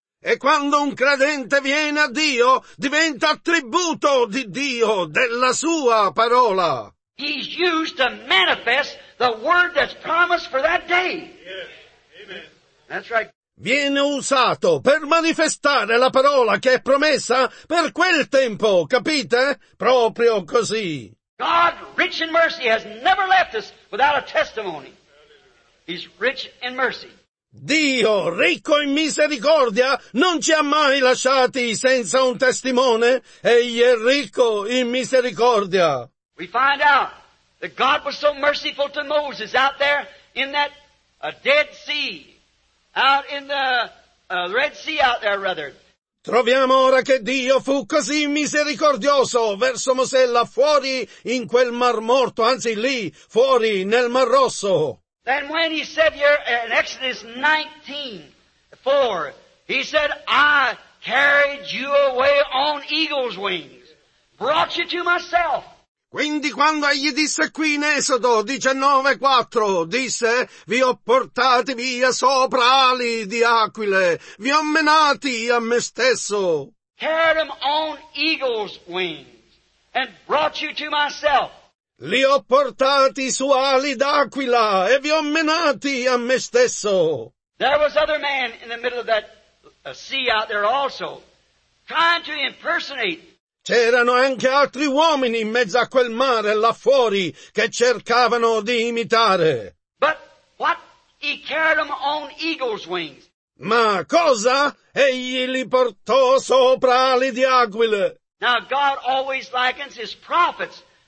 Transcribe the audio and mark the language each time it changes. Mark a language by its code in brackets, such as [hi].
[it] E quando un credente viene a Dio, diventa attributo di Dio, della sua parola. [en] He's used to manifest the word that's promised for that day. Yes. That's right. [it] Viene usato per manifestare la parola che è promessa per quel tempo, capite? Proprio così. [en] God, rich in mercy, has never left us without a testimony. He's rich in mercy. [it] Dio, ricco in misericordia, non ci ha mai lasciati senza un testimone. Egli è ricco in misericordia. [en] We find out that God was so merciful to Moses out there in that Dead Sea, out in the Red Sea out there, rather. [it] Troviamo ora che Dio fu così misericordioso verso Mosè là fuori in quel Mar Morto, anzi lì, fuori nel Mar Rosso. [en] Then when he said here in Exodus 19:4, he said, I carried you away on eagle's wings, brought you to myself. [it] Quindi quando egli disse qui in Esodo 19:4, disse, vi ho portati via sopra ali di aquile, vi ho menati a me stesso. [en] Carried him on eagle's wings and brought you to myself. [it] Li ho portati su ali d'aquila e vi ho menati a me stesso. [en] There was other man in the middle of that sea out there also, trying to impersonate. [it] C'erano anche altri uomini in mezzo a quel mare là fuori che cercavano di imitare. [en] But what? He carried them on eagle's wings. [it] Ma cosa? Egli li portò sopra ali di aquile. [en] Now God always likens His prophets.